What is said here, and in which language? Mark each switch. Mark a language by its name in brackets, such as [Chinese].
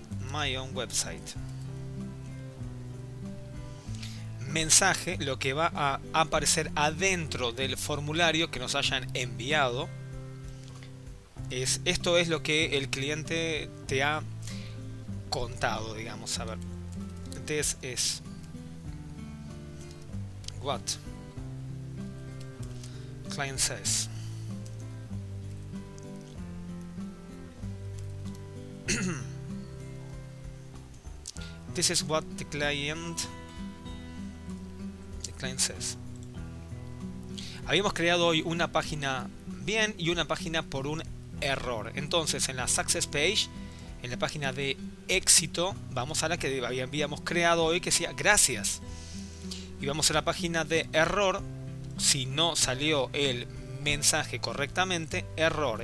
[English] My own website. [Spanish] Mensaje, lo que va a aparecer adentro del formulario que nos hayan enviado. Esto es lo que el cliente te ha contado, digamos. A ver, [English] this is what client says. This is what the client says. [Spanish] Habíamos creado hoy una página bien y una página por un error. Entonces, en la success page, en la página de éxito, vamos a la que habíamos creado hoy, que decía gracias. Y vamos a la página de error, si no salió el mensaje correctamente, error.